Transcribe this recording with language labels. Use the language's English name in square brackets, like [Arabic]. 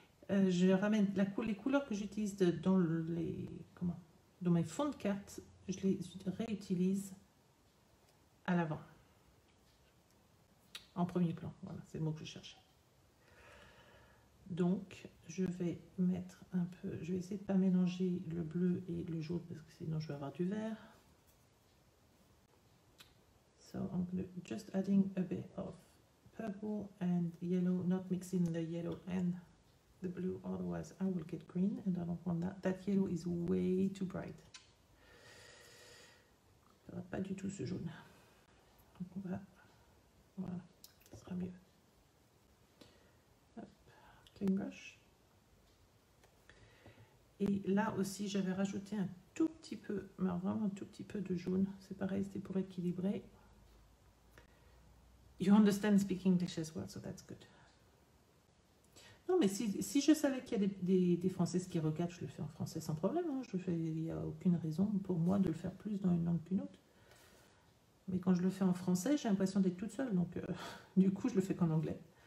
[French] Je ramène les couleurs que j'utilise dans mes fonds de cartes, je les réutilise à l'avant, en premier plan. Voilà, c'est le mot que je cherchais. Donc, je vais mettre un peu, je vais essayer de ne pas mélanger le bleu et le jaune parce que sinon je vais avoir du vert. [English] So, I'm just adding a bit of purple and yellow, not mixing the yellow and the blue, otherwise I will get green and I don't want that. That yellow is way too bright. [French] Ça ne va pas du tout ce jaune. Donc, on va, voilà, ce sera mieux. [English] Brush. [French] Et là aussi j'avais rajouté un tout petit peu, mais vraiment un tout petit peu de jaune, c'est pareil, c'était pour équilibrer. [English] You understand speaking English as well, so that's good. [French] Non mais si je savais qu'il y a des françaises qui regardent, je le fais en français sans problème, hein. Il n'y a aucune raison pour moi de le faire plus dans une langue qu'une autre. Mais quand je le fais en français, j'ai l'impression d'être toute seule, donc du coup je le fais qu'en anglais.